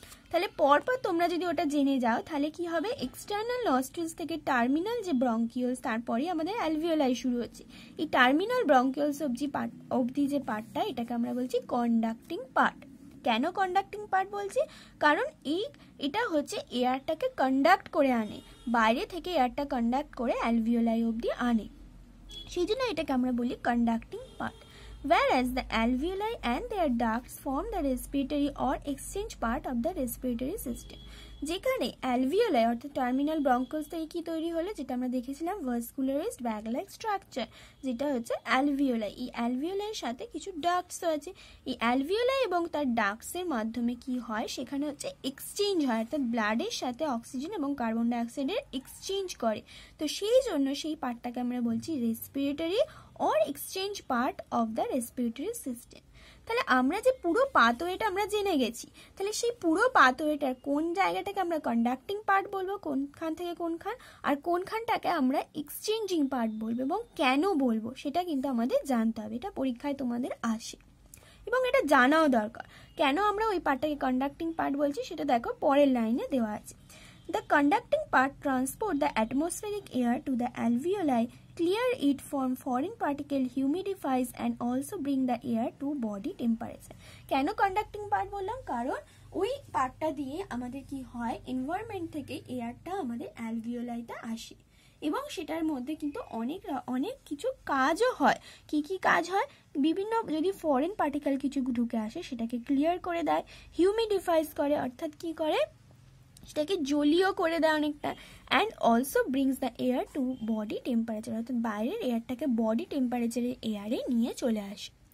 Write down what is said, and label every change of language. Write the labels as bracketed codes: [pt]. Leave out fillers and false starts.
[bn] তাহলে পরপর তোমরা যদি ওটা জেনে যাও তাহলে কি হবে, এক্সটার্নাল নস্ট্রিলস থেকে টার্মিনাল যে ব্রঙ্কিওলস তারপরেই আমাদের অ্যালভিওলাই শুরু হচ্ছে, এই টার্মিনাল ব্রঙ্কিওলস অবধি পার্ট অবধি যে পার্টটা এটাকে আমরা বলছি কন্ডাক্টিং পার্ট। কেন কন্ডাক্টিং পার্ট বলছি, কারণ এই এটা হচ্ছে এয়ারটাকে কন্ডাক্ট করে আনে, বাইরে থেকে এয়ারটা কন্ডাক্ট করে অ্যালভিওলাই অবধি আনে, সেই জন্য এটাকে আমরা বলি conducting part. [en] Whereas the alveoli and their ducts form the respiratory or exchange part of the respiratory system. [bn] যেখানে অ্যালভিওলাই অর্থাৎ টার্মিনাল ব্রঙ্কোস থেকে কী তৈরি হলো, যেটা আমরা দেখেছিলাম ভাস্কুলারাইজড ব্যাগলাইক স্ট্রাকচার, যেটা হচ্ছে অ্যালভিওলাই। এই অ্যালভিওলাইয়ের সাথে কিছু ডাক্টসও আছে, এই অ্যালভিওলাই এবং তার ডাক্টসের মাধ্যমে কী হয়, সেখানে হচ্ছে এক্সচেঞ্জ হয়, অর্থাৎ ব্লাডের সাথে অক্সিজেন এবং কার্বন ডাইঅক্সাইডের এক্সচেঞ্জ করে, তো সেই জন্য সেই পার্টটাকে আমরা বলছি [en] Respiratory or exchange part of the respiratory system. [bn] তাহলে আমরা যে পুরো পাথওয়েটা আমরা জেনে গেছি, তাহলে সেই পুরো পাথওয়েটার কোন জায়গাটাকে আমরা কন্ডাক্টিং পার্ট বলবো, কোনখান থেকে কোনখান, আর কোনখানটাকে আমরা এক্সচেঞ্জিং পার্ট বলবো এবং কেন বলবো সেটা কিন্তু আমাদের জানতে হবে, এটা পরীক্ষায় তোমাদের আসে এবং এটা জানাও দরকার। কেন আমরা ওই পার্টটাকে কন্ডাক্টিং পার্ট বলছি সেটা দেখো পরের লাইনে দেওয়া আছে। [en] The conducting part transport the atmospheric air to the alveoli, clear it from foreign particle, humidifies and also bring the air to body temperature. [bn] কেন কন্ডাক্টিং পার্ট বললাম, কারণ ওই পার্টটা দিয়ে আমাদের কি হয়, এনভায়রনমেন্ট থেকে এয়ারটা আমাদের অ্যালভিওলাইতে আসে এবং সেটার মধ্যে কিন্তু অনেক অনেক কিছু কাজও হয়। কি কি কাজ হয়, বিভিন্ন যদি ফরেন পার্টিকেল কিছু ঢুকে আসে সেটাকে ক্লিয়ার করে দেয়, হিউমিডিফাইজ করে অর্থাৎ কি করে, সেটাকে জলীয় করে দেয় অনেকটা, [en] and also brings the air to body temperature, [bn] অর্থাৎ বাইরের এয়ারটাকে বডি টেম্পারেচারের এয়ারে নিয়ে চলে আসে।